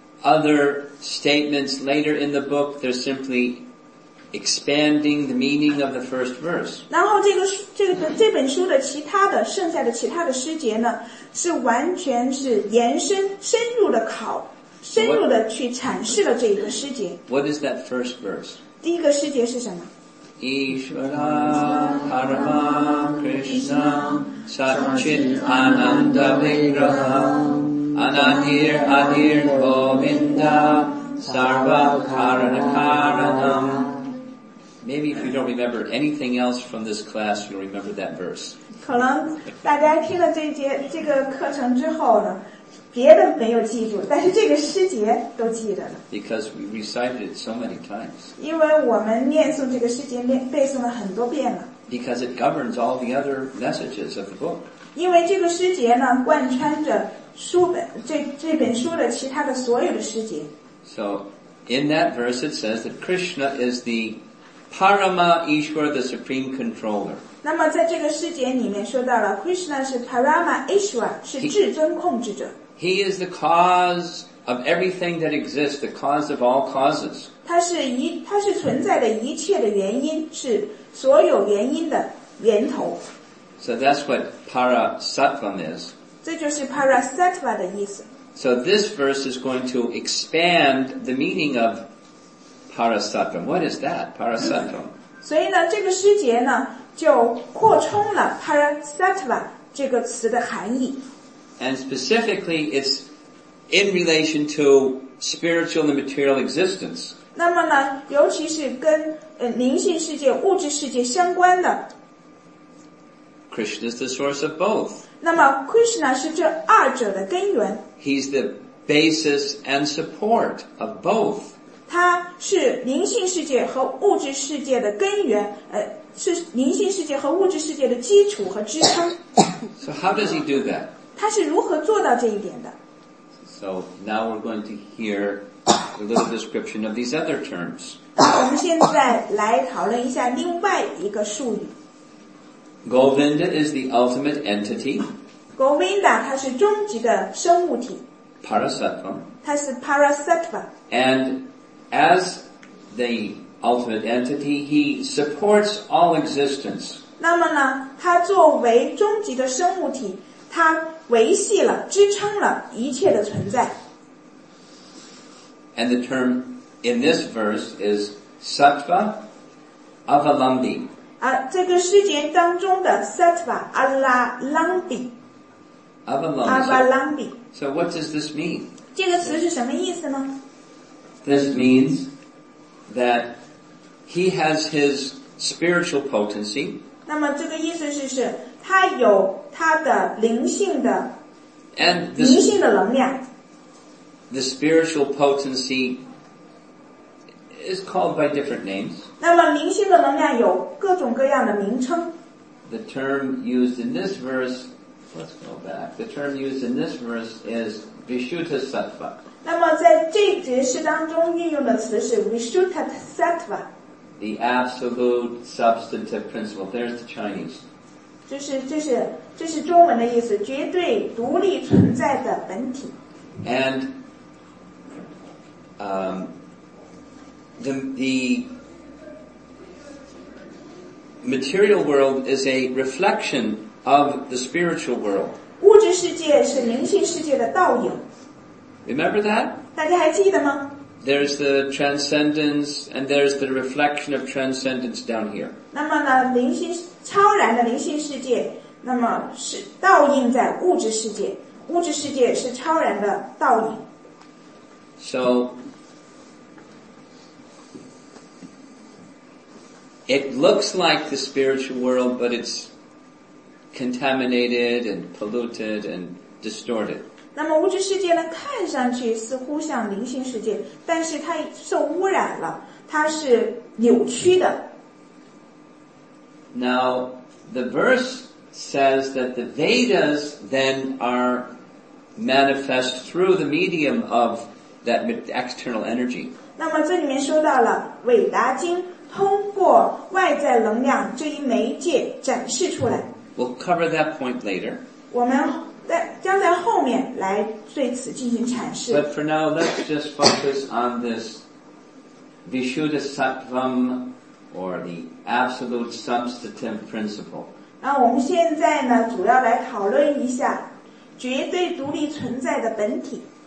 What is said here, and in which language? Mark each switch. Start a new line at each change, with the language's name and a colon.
English: Other statements later in the book, they're simply expanding the meaning of the first verse.
Chinese: 然后这本书的其他的剩下的其他的诗节呢，是完全是延伸深入的去阐释了这一个诗节。
English: What is that first verse?
Chinese: 第一个世界是什么？
Sanskrit: Ishvara Parama Krishna Satchit Ananda Vigraha Anadir Adir Govinda Sarva Karana Karanam.
English: Maybe if you don't remember anything else from this class, you'll remember that verse.
Chinese: 可能大家听了这个课程之后呢，别的没有记住，但是这个诗节都记得了。
English: Because we recited it so many times.
Chinese: 因为我们念诵这个诗节背诵了很多遍了。
English: Because it governs all the other messages of the book.
Chinese: 因为这个诗节呢，贯穿着这本书的其他的所有的诗节。
English: So, in that verse it says that Krishna is the Parama Ishvara, the Supreme Controller.
Chinese: 那么在这个诗节里面说到了 ，Krishna 是 Parama Ishvara， 是至尊控制者。
English: He is the cause of everything that exists, the cause of all causes.
Chinese: 他是存在的一切的原因，是所有原因的源头。
English: So that's what parasattvam is.
Chinese: 这就是 parasattva 的意思。
English: So this verse is going to expand the meaning of parasattvam. What is that, parasattvam?
Chinese: 所以呢，这个诗节呢，就扩充了 parasattva 这个词的含义。
English: And specifically, it's in relation to spiritual and material existence.
Chinese: 那么呢，尤其是跟灵性世界、物质世界相关的。
English: Krishna is the source of both.
Chinese: 那么 ，Krishna 是这二者的根源。
English: He's the basis and support of both.
Chinese: 它是灵性世界和物质世界的根源，是灵性世界和物质世界的基础和支撑。
English: So how does he do that?
Chinese: 他是如何做到这一点的？
English: So now we're going to hear a little description of these other terms.
Chinese: 我们现在来讨论一下另外一个术语。
English: Govinda is the ultimate entity.
Chinese: Govinda, 它是终极的生物体。
English: Parasattva.
Chinese: 它是 Parasattva.
English: And as the ultimate entity, he supports all existence.
Chinese: 那么呢，它作为终极的生物体，它维系了、支撑了一切的存在。
English: And the term in this verse is Sattva Avalambi.
Chinese: 这个世界当中的 Sattva Avalambi.
English: Avalambi. So what does this mean?
Chinese: 这个词是什么意思呢？
English: This means that he has his spiritual potency.
Chinese: 那么这个意思是他有他的灵性的
English: and
Chinese: 灵性的能量。
English: The spiritual potency is called by different names.
Chinese: 那么灵性的能量有各种各样的名称。
English: The term used in this verse, let's go back. The term used in this verse is Vishuddha Sattva.
Chinese: 那么在这节诗当中运用的词是 Vishuddha Sattva.
English: The absolute substantive principle. There's the Chinese.
Chinese: 这是中文的意思，绝对独立存在的本体。
English: And the material world is a reflection of the spiritual world.
Chinese: 物质世界是灵性世界的倒影。
English: Remember that?
Chinese: 大家还记得吗？
English: There's the transcendence and there's the reflection of transcendence down here.
Chinese: 那么呢，灵性超然的灵性世界，那么是倒映在物质世界，物质世界是超然的倒影。
English: So, it looks like the spiritual world, but it's contaminated and polluted and distorted.
Chinese: 那么物质世界呢，看上去似乎像灵性世界，但是它受污染了，它是扭曲的。
English: Now, the verse says that the Vedas then are manifest through the medium of that external energy.
Chinese: 那么这里面说到了韦达经通过外在能量这一媒介展示出来。
English: We'll cover that point later.
Chinese: 我们将在后面来对此进行阐释。
English: But for now, let's just focus on this Vishuddha Sattvam or the absolute substantive principle.
Chinese: 那我们现在呢，主要来讨论一下绝对独立存在的本体。